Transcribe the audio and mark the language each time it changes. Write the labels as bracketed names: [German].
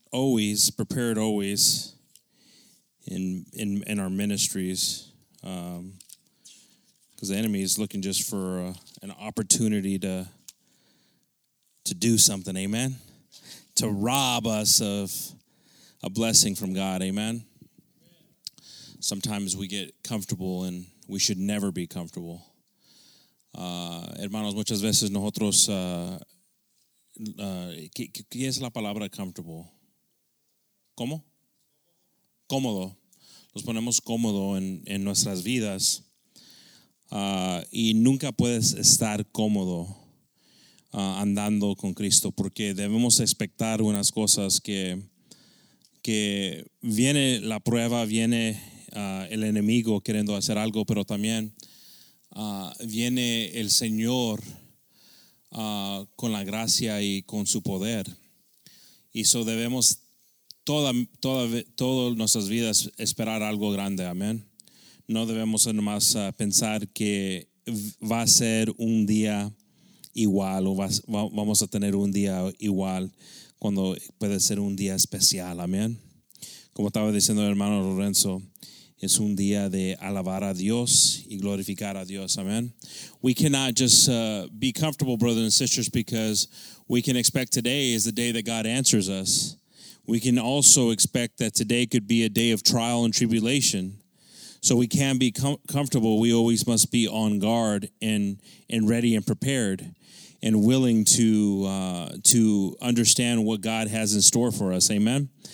[English] Always prepared, always in our ministries, because the enemy is looking just for an opportunity to do something, amen. To rob us of a blessing from God, amen. Sometimes we get comfortable, and we should never be comfortable. [Spanish] Hermanos, muchas veces nosotros ¿qué es la palabra comfortable? ¿Cómo? Cómodo. Nos ponemos cómodo en nuestras vidas. Y nunca puedes estar cómodo andando con Cristo, porque debemos expectar unas cosas que viene la prueba, viene el enemigo queriendo hacer algo, pero también viene el Señor con la gracia y con su poder. Y eso debemos todas nuestras vidas esperar algo grande, amén. No debemos nomás pensar que va a ser un día igual o vamos a tener un día igual cuando puede ser un día especial, amén. Como estaba diciendo el hermano Lorenzo, es un día de alabar a Dios y glorificar a Dios, amén. [English] We cannot just be comfortable, brothers and sisters, because we can expect today is the day that God answers us. We can also expect that today could be a day of trial and tribulation. So we can be comfortable. We always must be on guard and ready and prepared and willing to understand what God has in store for us. Amen.